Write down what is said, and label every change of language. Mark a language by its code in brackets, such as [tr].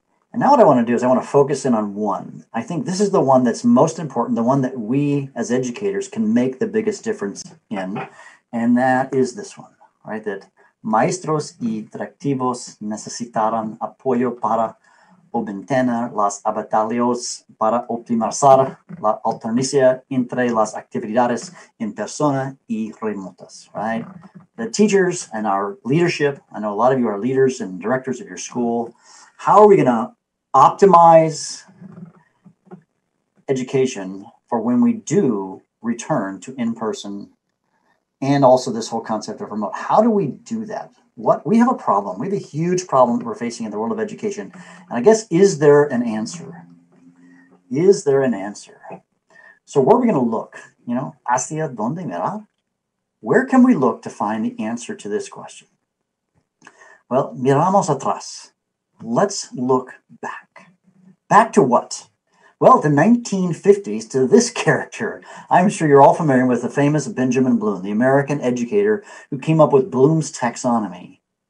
[en] And now what I want to do is I want to focus in on one. I think this is the one that's most important, the one that we as educators can make the biggest difference in, and that is this one, right? [es] That maestros y directivos necesitarán apoyo para obtener las habilidades para optimizar la alternancia entre las actividades en persona y remotas, right? [en] The teachers and our leadership, I know a lot of you are leaders and directors of your school, how are we going to optimize education for when we do return to in-person and also this whole concept of remote? How do we do that? What we have a problem. We have a huge problem that we're facing in the world of education. And I guess, is there an answer? Is there an answer? So where are we going to look? You know, [es] hacia donde mirar? [en] Where can we look to find the answer to this question? Well, [es] miramos atrás. [en] Let's look back. Back to what? Well, the 1950s, to this character. I'm sure you're all familiar with the famous Benjamin Bloom, the American educator who came up with Bloom's taxonomy.